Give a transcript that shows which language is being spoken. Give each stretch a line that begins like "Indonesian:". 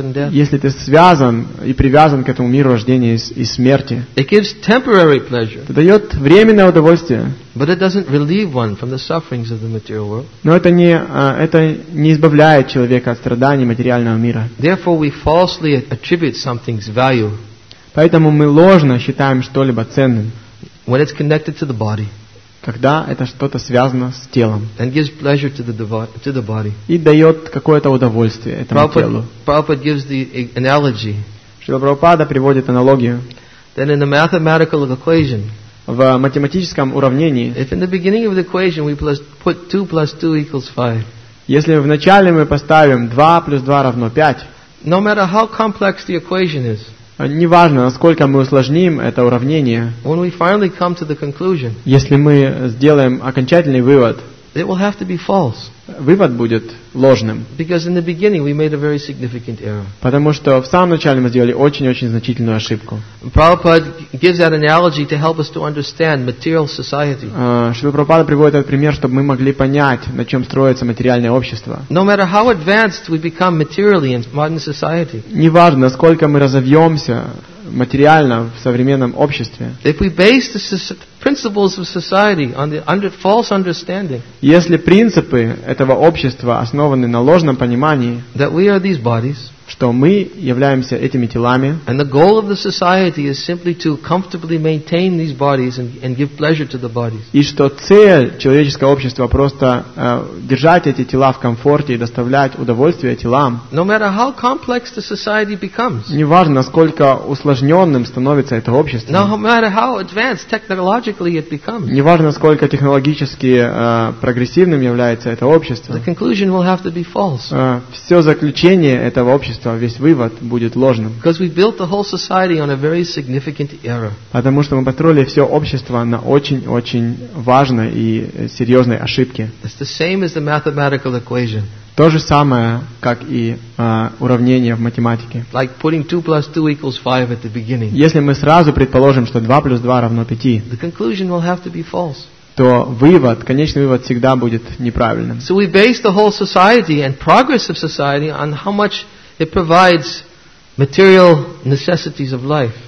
Russian: Если ты связан и привязан к этому миру рождения и смерти,
English: it gives temporary pleasure,
Russian: это дает временное удовольствие.
English: But it doesn't relieve one from the sufferings of the material world.
Russian: Но это не избавляет человека от страданий материального мира.
English: Therefore, we falsely attribute something's value.
Russian: Поэтому мы ложно считаем что-либо ценным.
English: When it's connected to the body.
Russian: Когда это что-то связано с телом.
English: And gives pleasure to the body.
Russian: И дает какое-то удовольствие этому
English: Prabhupada,
Russian: телу.
English: Prabhupada gives the analogy.
Russian: Шрила Прабхупада приводит аналогию.
English: Then in the mathematical equation,
Russian: в математическом уравнении.
English: If in the beginning of the equation we put 2 plus 2 equals 5.
Russian: Если в начале мы поставим 2 плюс 2 равно 5.
English: No matter how complex the equation is.
Russian: Неважно, насколько мы усложним это уравнение,
English: when we finally come to the conclusion,
Russian: если мы сделаем окончательный вывод,
English: it will have to be false.
Russian: Вывод будет ложным.
English: Because in the beginning we made a very significant error.
Russian: Потому что в самом начале мы сделали очень-очень значительную ошибку.
English: Prabhupada gives that analogy to help us to understand material society.
Russian: Шрила Прабхупада приводит этот пример, чтобы мы могли понять, на чем строится материальное общество.
English: No matter how advanced we become materially in modern society.
Russian: Неважно, насколько мы разовьемся материально в современном обществе.
English: If we base the principles of society on the false understanding,
Russian: если принципы этого общества основаны на ложном понимании,
English: that we are these bodies,
Russian: что мы являемся этими телами,
English: and the goal of the society is simply to comfortably maintain these bodies and give pleasure to the bodies,
Russian: и что цель человеческого общества просто держать эти тела в комфорте и доставлять удовольствие телам,
English: no matter how complex the society becomes,
Russian: неважно, насколько усложненным становится это общество,
English: no matter how advanced technologically it becomes,
Russian: неважно, насколько технологически прогрессивным является это общество,
English: the conclusion will have to be false.
Russian: Все заключение этого общества, весь вывод будет ложным.
English: Because we built the whole society on a very significant error.
Russian: Потому что мы построили все общество на очень-очень важной и серьезной ошибке.
English: It's the same as the mathematical equation.
Russian: То же самое, как и уравнение в математике.
English: Like putting 2 plus 2 equals 5 at the beginning.
Russian: Если мы сразу предположим, что 2 плюс 2 равно 5,
English: the conclusion will have to be false.
Russian: то вывод, конечный вывод всегда будет неправильным.
English: So we base the whole society and progress of society on how much it provides material necessities of life.